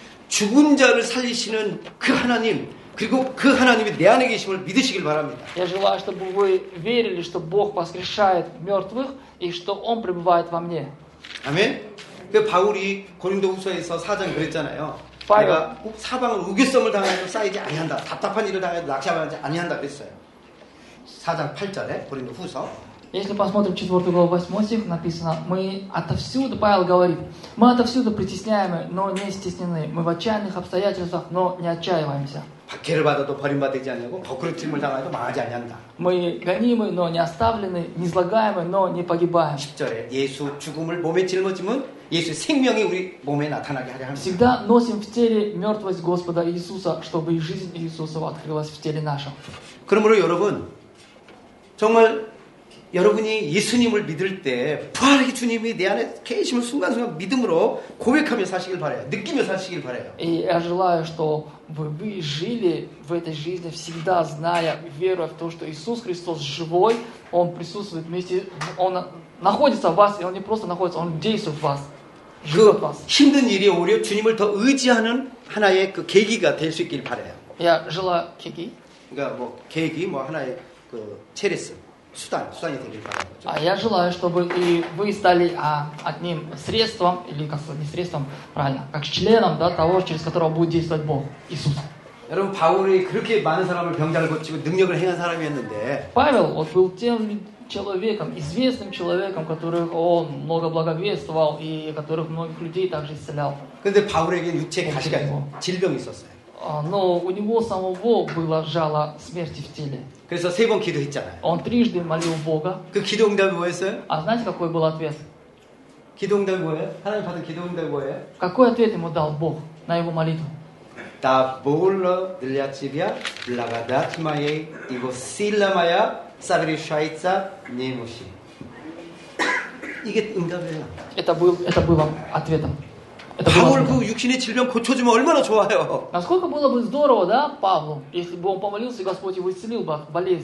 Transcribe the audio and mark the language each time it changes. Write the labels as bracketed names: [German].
[Korean] 죽은 자를 살리시는 그 하나님, 그리고 그 하나님이 내 안에 계심을 믿으시길 바랍니다. [Russian] Я желаю, чтобы вы верили, что Бог воскрешает мертвых и что Он пребывает во мне. [Korean] 아멘. 그 바울이 고린도후서에서 4장 그랬잖아요. 내가 사방을 우겨썸을 당하여 쌓이지 아니한다. 답답한 일을 당하여 낙심하지 아니한다 그랬어요. 4장 8절에 고린도후서. [Russian] Если посмотрим 4 главу 8 стих, написано: мы отовсюду, Павел говорит, мы отовсюду притесняемы, но не стеснены, мы в отчаянных обстоятельствах, но не отчаиваемся. [Korean] 박해를 받아도 버림받지 아니하고 거꾸로 짐을 당하여도 망하지 아니한다. [Russian] Мы гонимы, но не оставлены, низлагаемы, но не погибаем. [Korean] 10절에 예수 죽음을 몸에 짊어짐은 예수의 생명이 우리 몸에 나타나게 하려 합니다. [Russian] Всегда носим в теле мертвость Господа Иисуса, чтобы жизнь Иисуса открылась в теле нашем. [Korean] 그러므로 여러분, 정말 여러분이 예수님을 믿을 때 부활의 주님이 내 안에 계심을 순간순간 믿음으로 고백하며 사시길 바라요. 느끼며 사시길 바라요. [Russian] И я желаю, чтобы вы жили в этой жизни, всегда зная, веруя в то, что Иисус Христос живой, Он присутствует вместе, Он находится в вас, и Он не просто находится, Он действует в вас, живет в вас. [Korean] 힘든 일이 오히려 주님을 더 의지하는 하나의 그 계기가 될 수 있길 바라요. [Russian] Я желаю [Korean] 계기. 그러니까 뭐 계기, 뭐 하나의 그 체레스. 수단, 수단이 되길 바랍니다. [Russian] 아, я желаю, чтобы и вы стали одним средством или как-то не средством, правильно, как членом, да, того, через которого будет действовать Бог, Иисус. [Korean] 여러분, 바울이 그렇게 많은 사람을 병자를 고치고 능력을 행한 사람이었는데. [Russian] Павел вот был тем человеком, известным человеком, которых он много благовествовал и которых многих людей также исцелял. [Korean] 근데 바울에게 육체 가시가 있고 질병이 있었어요. [Russian] 어, у него самого было жало смерти в теле. [Korean] 그래서 세 번 기도했잖아요. [Russian] Он трижды молил Бога. [Korean] 그 기도 응답이 뭐였어요? [Russian] А знаете, какой был ответ? [Korean] 기도 응답이 뭐예요? 하나님 받은 기도 응답이 뭐예요? [Russian] Какой ответ ему дал Бог на его молитву? Да, было для тебя благодать моей, его сила моя согрешается немощи. [Korean] 이게 응답이에요. [Russian] Это был ответом. [Korean] 바울 그 육신의 질병 고쳐주면 얼마나 좋아요. [Russian] Насколько было бы здорово, да, Павлу, если бы он помолился и Господь его исцелил бы болезнь.